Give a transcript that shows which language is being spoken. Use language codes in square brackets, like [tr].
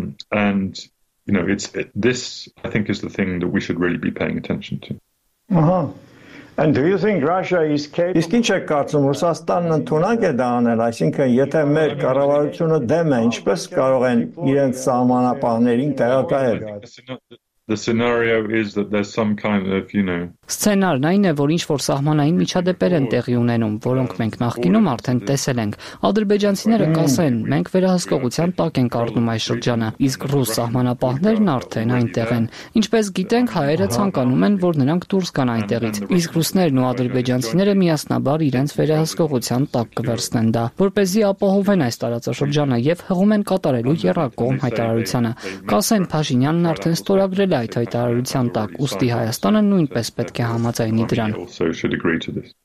[en] And you know, it's it, this I think is the thing that we should really be paying attention to. And do you think Russia is capable? [hy] Իսկ ինչ եք կարծում, Ռուսաստանն ընդունակ է դա անել, այսինքն եթե մեր կառավարությունը դեմ է, ինչպես կարող են իրենց սահմանապահներին տեղակայել? [en] The scenario is that there's some kind of, you know, [hy] սցենարն այն է, որ ինչ որ սահմանային միջադեպեր են տեղի ունենում, որոնք մենք նախկինում արդեն տեսել ենք։ Ադրբեջանցիները կասեն, մենք վերահսկողության տակ ենք առնում այս շրջանը, իսկ ռուս սահմանապահներն արդեն այնտեղ են։ Ինչպես գիտենք, հայերը ցանկանում են, որ նրանք դուրս գան այնտեղից, իսկ ռուսներն ու ադրբեջանցիները միասնաբար իրենց վերահսկողության տակ կվերցնեն դա, որպեսզի ապահովեն այս տարածաշրջանը եւ հղում են կատարելու երկկողմ հայտարարությունը։ Կասեն, Փաշինյանն արդեն ստորագրել է այդ հայտարարության տակ, ուստի Հայաստանը նույնպես պետք է համաձայնի դրան։